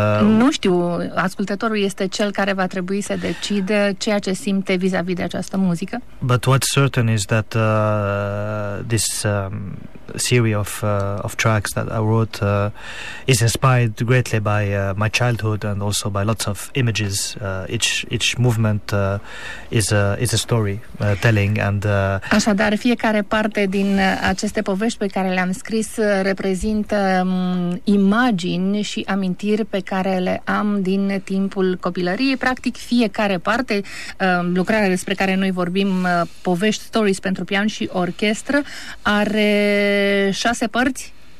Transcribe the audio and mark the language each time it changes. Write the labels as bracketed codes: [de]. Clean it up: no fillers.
[ro] nu știu, ascultătorul este cel care va trebui să decide ceea ce simte vis-a-vis de această muzică. [en] But what's certain is that this series of tracks that I wrote is inspired greatly by my childhood and also by lots of images. Each movement is a story telling and [ro] Așadar, fiecare parte din aceste povești pe care le-am scris reprezintă imagini și amintiri pe care le am din timpul copilăriei. Practic fiecare parte, lucrarea despre care noi vorbim, povești, Stories pentru pian și orchestră, are 6 părți